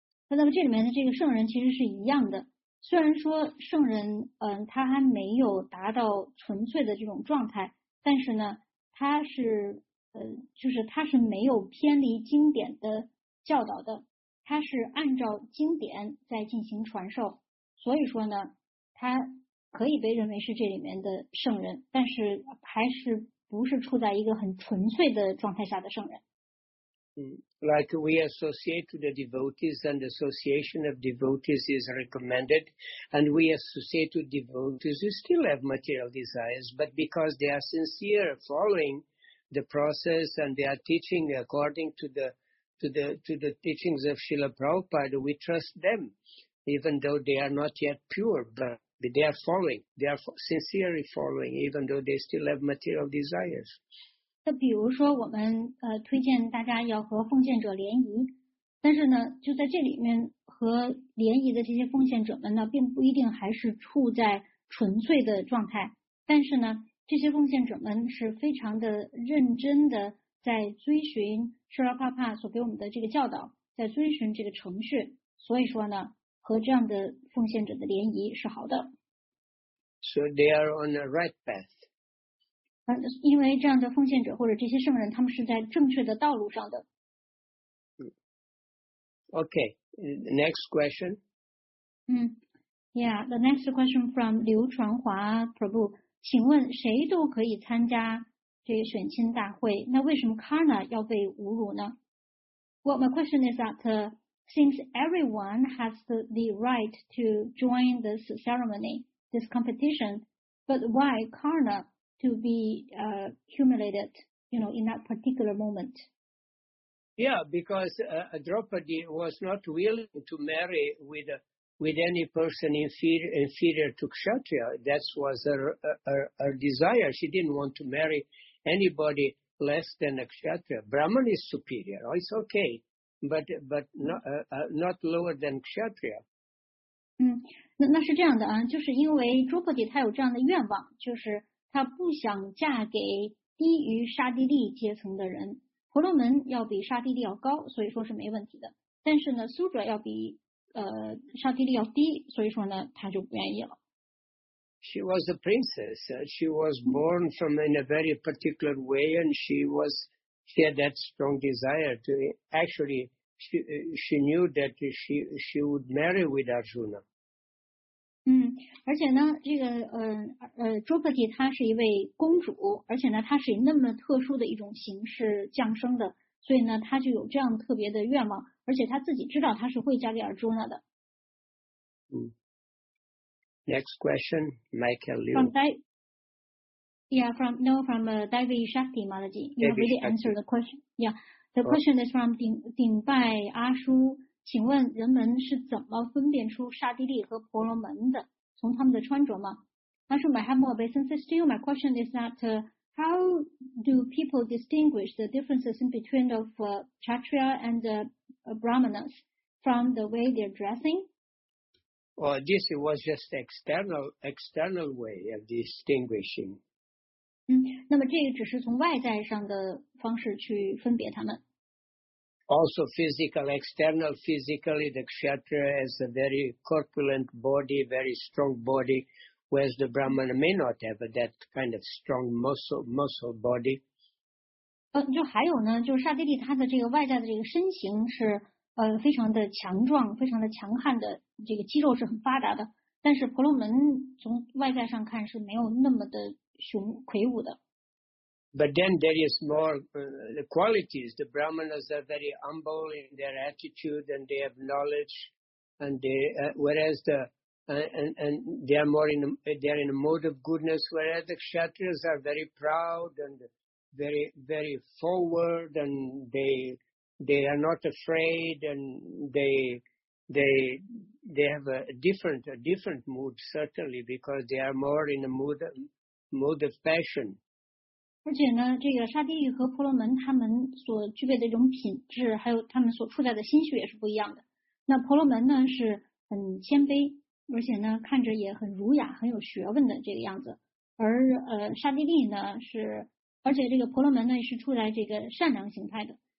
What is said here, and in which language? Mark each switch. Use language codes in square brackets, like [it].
[zh] 那么这里面的这个圣人其实是一样的，虽然说圣人他还没有达到纯粹的这种状态，但是呢他是就是他是没有偏离经典的教导的，他是按照经典在进行传授，所以说呢他可以被认为是这里面的圣人，但是还是不是处在一个很纯粹的状态下的圣人。 [en] Like we associate with the devotees, and association of devotees is recommended, and we associate with devotees who still have material desires, but because they are sincere following the process and they are teaching according to the teachings of Srila Prabhupada, we trust them, even though they are not yet pure, but they are following, they are sincerely following, even though they still have material desires. [zh] 比如说我们推荐大家要和奉献者联谊，但是呢就在这里面和联谊的这些奉献者们呢并不一定还是处在纯粹的状态，但是呢这些奉献者们是非常的认真的在遵循舍拉帕帕所给我们的这个教导，在遵循这个程序，所以说呢和这样的奉献者的联谊是好的。 [en] So they are on the right path. [zh] 因为这样的奉献者或者这些圣人他们是在正确的道路上的。 [en] Okay, next question. Yeah, the next question from 刘传华 Prabhu. [zh] 请问谁都可以参加这个选亲大会，那为什么 Karna 要被侮辱呢？ [en] Well, my question is that since everyone has the right to join this ceremony, this competition, but why Karna? To be accumulated, you know, in that particular moment. Yeah, because Draupadi was not willing to marry with any person inferior to Kshatriya. That was her desire. She didn't want to marry anybody less than a Kshatriya. Brahman is superior. Oh, it's okay, but not lower than Kshatriya. [zh] 那是这样的啊，就是因为 Draupadi 她有这样的愿望，就是。他不想嫁给低于沙地利阶层的人，婆罗门要比沙地利要高，所以说是没问题的，但是呢苏哲要比沙地利要低，所以说呢他就不愿意了。 [en] She was a princess. She was born from in a very particular way, and she had that strong desire to actually she knew that she would marry with Arjuna. [zh] 而且呢这个卓克蒂她是一位公主，而且呢她是以那么特殊的一种形式降生的，所以呢她就有这样特别的愿望，而且她自己知道她是会嫁给尔朱娜的。 [en] Next question, Michael Liu. From David Shakti Maharaji. You already answered the question. Yeah, the question is from 顶拜阿叔。 [zh] 请问人们是怎么分辨出沙地利和婆罗门的？从他们的穿着吗？他说 ， [en] My humble obeisances to you. My question is that how do people distinguish the differences in between of Kshatriya and Brahmanas from the way they're dressing? Well, this was just external way of distinguishing. [zh] 那么这个只是从外在上的方式去分别他们。 [en] Also physical, external physically, the Kshatriya has a very corpulent body, very strong body, whereas the Brahmana may not have that kind of strong muscle body. [zh] 就还有呢，就是沙地利他的这个外在的这个身形是非常的强壮，非常的强悍的，这个肌肉是很发达的。但是婆罗门从外在上看是没有那么的雄魁梧的。 [en] But then there is more the qualities. The Brahmanas are very humble in their attitude and they have knowledge. And they, whereas the, and they are more in, they are in a mode of goodness, whereas the Kshatriyas are very proud and very, very forward and they are not afraid and they have a different mood, certainly, because they are more in a mode of passion. [zh] 而且呢，这个沙地玉和婆罗门他们所具备的这种品质，还有他们所处在的心绪也是不一样的。那婆罗门呢是很谦卑，而且呢看着也很儒雅，很有学问的这个样子。而沙地利呢是，而且这个婆罗门呢是处在这个善良形态的。